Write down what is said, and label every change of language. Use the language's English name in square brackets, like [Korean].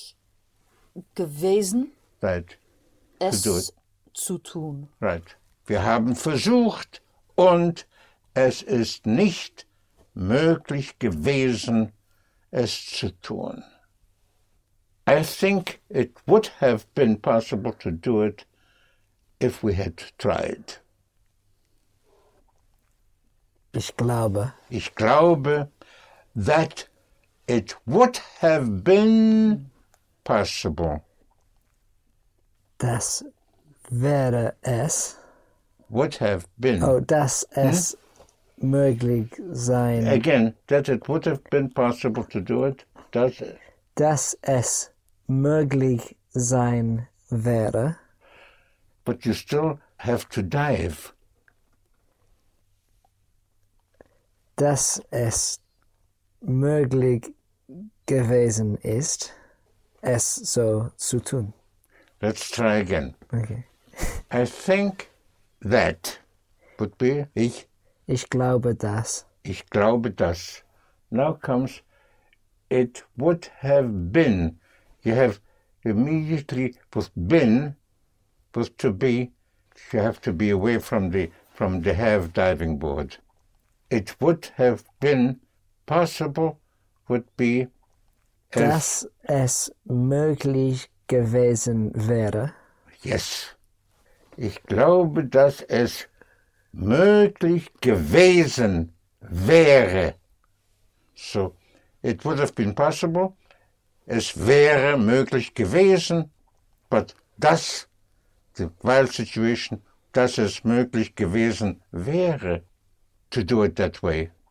[German] Und es ist nicht möglich gewesen. [English] Right. [German] Es zu tun. [English] Right. [German] Wir haben versucht und es ist nicht möglich gewesen, es zu tun. [English] I think it would have been possible to do it if we had tried. [German] Ich glaube, [English] that it would have been possible. [German] Das wäre es. [English] Would have been. [German] Oh, das es möglich sein. [English] Again, that it would have been possible to do it. Does it? [German] Das es möglich sein wäre. [English] But you still have to dive. [German] Das es möglich gewesen ist, es so zu tun. [English] Let's try again. Okay. I think that would be ich. [German] Ich glaube das. [English] Now comes it would have been. You have immediately with been, with to be, you have to be away from the have diving board. It would have been possible would be [German] das es möglich gewesen wäre. [English] Yes. [German] Ich glaube, dass es möglich gewesen wäre. [English] So, it would have been possible. [German] Es wäre möglich gewesen. But das, [English] the wild situation, [German] dass es möglich gewesen wäre, [English] to do it that way.